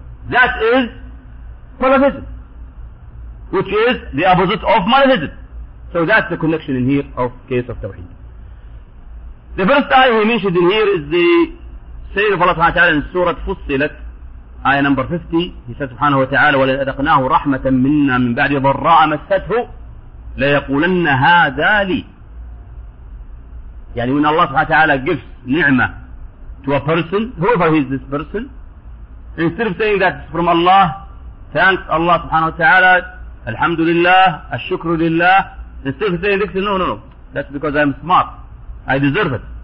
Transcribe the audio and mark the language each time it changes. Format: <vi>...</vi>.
<en>That is polytheism, which is the opposite of monotheism. So that's the connection in here of case of Tawheed. The first ayah he mentioned in here is the saying of Allah subhanahu wa ta'ala in Surah Fussilat, ayah number 50. He said</en> <ar>subhanahu wa ta'ala, وَلَا أَدَقْنَاهُ رَحْمَةً مِنَّا مِنْ بَعْدِ ضَرَّاءَ مَسَّتْهُ لَيَقُولَنَّ هَذَا لِي.</ar> <en>Yani when Allah subhanahu wa ta'ala gives ni'mah to a person, whoever he is this person, instead of saying that it's from Allah, thanks Allah subhanahu wa ta'ala, alhamdulillah, ashukrulillah, instead of saying this, no, that's because I'm smart. I deserve it.</en>